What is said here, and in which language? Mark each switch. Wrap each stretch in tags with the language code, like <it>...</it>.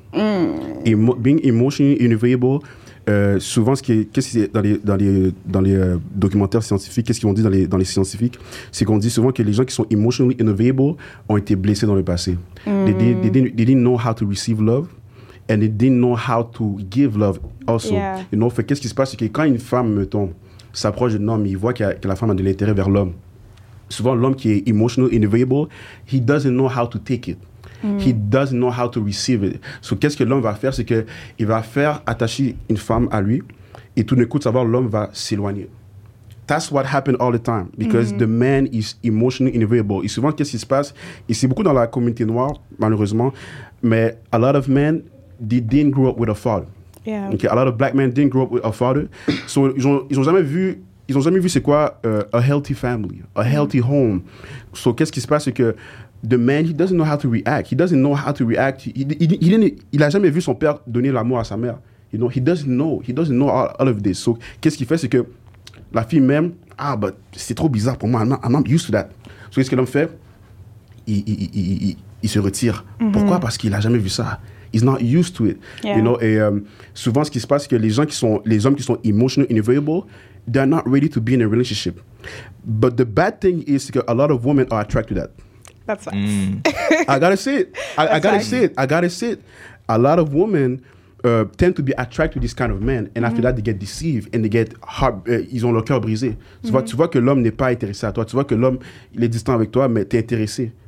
<en>Being emotionally unavailable,</en> <fr>souvent, dans les documentaires scientifiques, qu'est-ce qu'ils vont dire dans les scientifiques? C'est qu'on dit souvent que les gens qui sont</fr> <en>emotionally unavailable</en> <fr>ont été blessés dans le passé.</fr> <en>They didn't know how to receive love, and they didn't know how to give love also. Yeah. You know,</en> <fr>fait qu'est-ce qui se passe, c'est que quand une femme, mettons, s'approche d'un homme, il voit que la femme a de l'intérêt vers l'homme. Souvent, l'homme qui est</fr> <en>emotionally unavailable, he doesn't know how to take it. He doesn't know how to receive it. So,</en> <fr>qu'est-ce que l'homme va faire? C'est qu'il va faire attacher une femme à lui, et tout d'un coup, savoir, l'homme va s'éloigner.</fr> <en>That's what happens all the time, because the man is emotionally unavailable.</en> <fr>Et souvent, qu'est-ce qui se passe? Et c'est beaucoup dans la communauté noire, malheureusement, mais</fr> <en>a lot of men, they didn't grow up with a father. Yeah. Okay, a lot of black men didn't grow up with a father.</en> <fr>So ils ont jamais vu c'est quoi</fr> <en>a healthy family, a healthy home. So</en> <fr>qu'est-ce qui se passe, c'est que</fr> <en>the man, he doesn't know how to react.</en> <fr>Il a jamais vu son père donner l'amour à sa mère.</fr> <en>You know, he doesn't know all of this.</en> <fr>So qu'est-ce qu'il fait, c'est que la fille même, ah, but c'est trop bizarre pour moi.</fr> <en>I'm not used to that.</en> <fr>So qu'est-ce que l'homme fait? Il se retire. Mm-hmm. Pourquoi? Parce qu'il a jamais vu ça.</fr> <en>He's not used to it, you know.</en> <fr>Et souvent, ce qui se passe, c'est que les hommes qui sont</fr> <en>emotionally unavailable, they're not ready to be in a relationship. But the bad thing is because a lot of women are attracted to that. That's facts. Mm. I gotta say it. A lot of women tend to be attracted to this kind of man, and mm-hmm. after that they get deceived and they get heart,</en> <fr>ils ont leur cœur brisé.</fr> <en>Mm-hmm.</en> <fr>Tu vois que l'homme n'est pas intéressé à toi. Tu vois que l'homme il est distant avec toi, mais t'es intéressé.</fr>